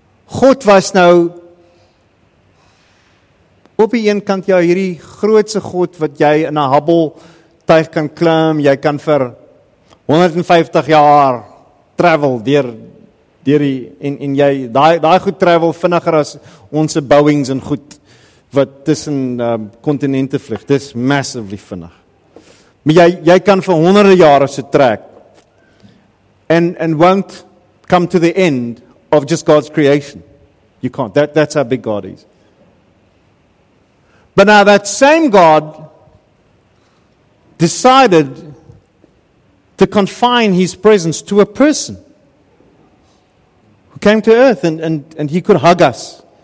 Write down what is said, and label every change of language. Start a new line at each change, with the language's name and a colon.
Afrikaans: God was nou op die een kant jou hierdie grootse God wat jy in 'n Hubble tuig kan klim, jy kan vir 150 jaar travel deur die en jy daai goed travel vinniger as ons se Boeings en goed. Wat tussen kontinente vlieg. Dis massively vinnig. Maar jy kan vir honderde jare so trek.
English: And won't come to the end of just God's creation. You can't. That's how big God is. But now that same God decided to confine his presence to a person who came to earth and he could hug us.